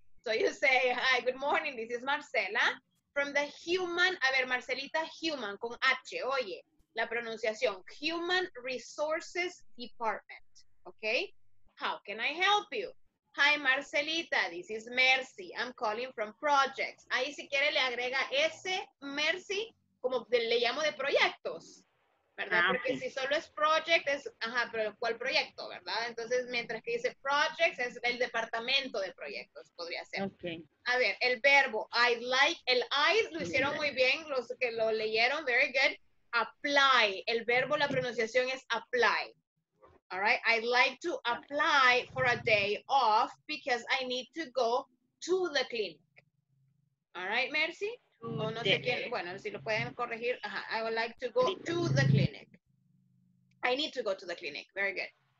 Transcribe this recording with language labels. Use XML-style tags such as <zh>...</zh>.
<en>So you say, hi, good morning, this is Marcela.</en> <es>From the human, a ver, Marcelita, human, con H, oye, la pronunciación, Human Resources Department, ¿ok?</es> <en>How can I help you? Hi, Marcelita, this is Mercy, I'm calling from projects.</en> <es>Ahí si quiere le agrega S, Mercy, como le llamo de proyectos, ¿verdad? Ah, porque okay. Si solo es project, es, ajá, pero ¿cuál proyecto, verdad? Entonces, mientras que dice projects, es el departamento de proyectos, podría ser. Ok. A ver, el verbo, I'd like, el I'd, lo hicieron muy bien, los que lo leyeron,</es> <en>very good.</en> <es>Apply, el verbo, la pronunciación es apply.</es> <en>All right, I'd like to apply for a day off because I need to go to the clinic. All right, Mercy?</en> <es>O no sé quién, bueno, si lo pueden corregir, ajá.</es> <en>I would like to go to the clinic. I need to go to the clinic, very good.</en>